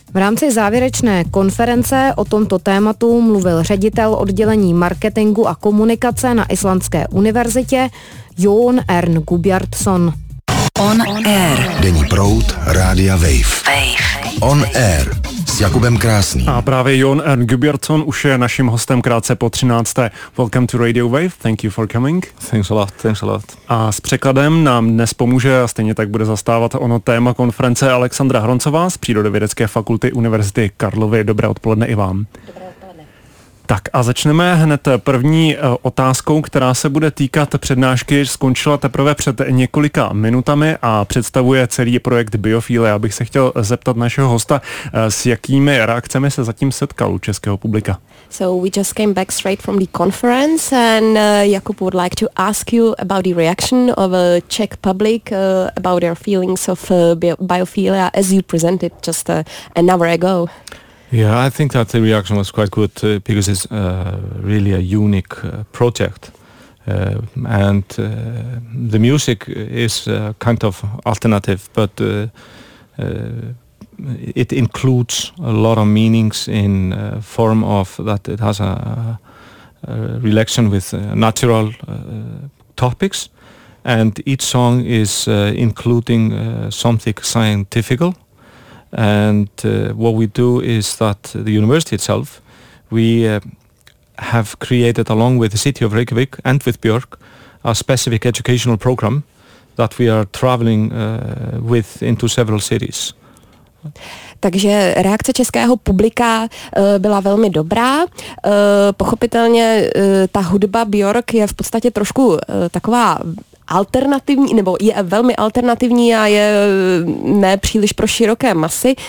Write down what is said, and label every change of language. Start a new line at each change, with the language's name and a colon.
Czech: V rámci závěrečné konference o tomto tématu mluvil ředitel oddělení marketingu a komunikace na Islandské univerzitě Jón Ern Gubjartsson. On Air. Denní proud Rádia Wave. On Air s Jakubem Krásným. A právě Jón Ern Gubjartsson už je naším hostem krátce po 13.
English: Welcome to Radio Wave, thank you for coming. Thanks a lot.
Czech: A s překladem nám dnes pomůže a stejně tak bude zastávat ono téma konference Alexandra Hroncová z Přírodovědecké fakulty Univerzity Karlovy. Dobré odpoledne i vám. Tak a začneme hned první otázkou, která se bude týkat přednášky, skončila teprve před několika minutami a představuje celý projekt Biofile. Já bych se chtěl zeptat našeho hosta, s jakými reakcemi se zatím setkal u českého publika.
English: So we just came back straight from the conference and Jakub would like to ask you about the reaction of a Czech public about their feelings of Biofile as you presented just an hour ago. Yeah, I think that the reaction was quite good because it's really a unique project. And the music is kind of alternative, but it includes a lot of meanings in form of that it has a relation with natural topics. And each song is including something scientific. And what we do is that the university itself, we have created along with the city of Reykjavik and with Björk a specific educational program that we are traveling with into several cities.
Czech: Takže reakce českého publika byla velmi dobrá. Pochopitelně ta hudba Björk je v podstatě trošku taková alternativní, nebo je velmi alternativní a je nepříliš pro široké masy.